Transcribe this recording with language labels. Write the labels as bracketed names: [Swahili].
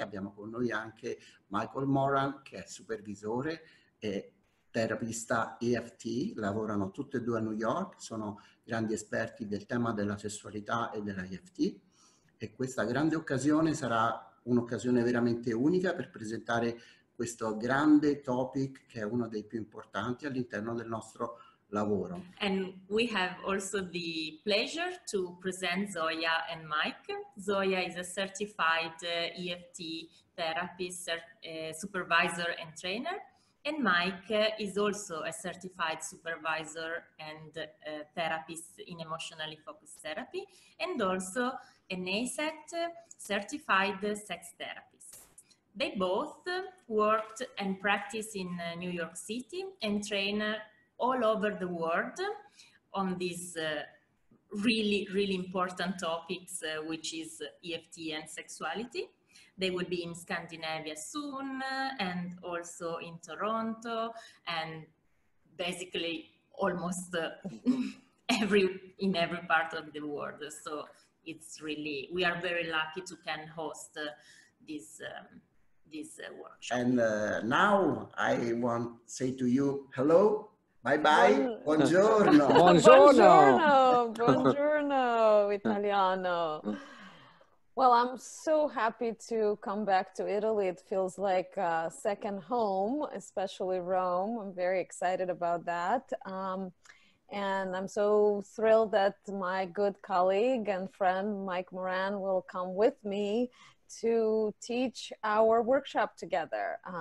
[Italian] Abbiamo con noi anche Michael Moran, che è supervisore e terapista EFT, lavorano tutti e due a New York, sono grandi esperti del tema della sessualità e della EFT e questa grande occasione sarà un'occasione veramente unica per presentare questo grande topic che è uno dei più importanti all'interno del nostro lavoro. [English] And we have also the pleasure to present Zoya and Mike. Zoya is a certified EFT therapist, supervisor and trainer. And Mike is also a certified supervisor and therapist in emotionally focused therapy, and also an ASET certified sex therapist. They both worked and practice in New York City and train all over the world on these really, really important topics, which is EFT and sexuality. They will be in Scandinavia soon and also in Toronto and basically almost in every part of the world. So it's really, we are very lucky to can host this workshop. And now I want to say to you hello, bye bye, [Italian] Buon... buongiorno. Buongiorno, buongiorno italiano. [English] Well, I'm so happy to come back to Italy. It feels like a second home, especially Rome. I'm very excited about that. And I'm so thrilled that my good colleague and friend Mike Moran will come with me to teach our workshop together.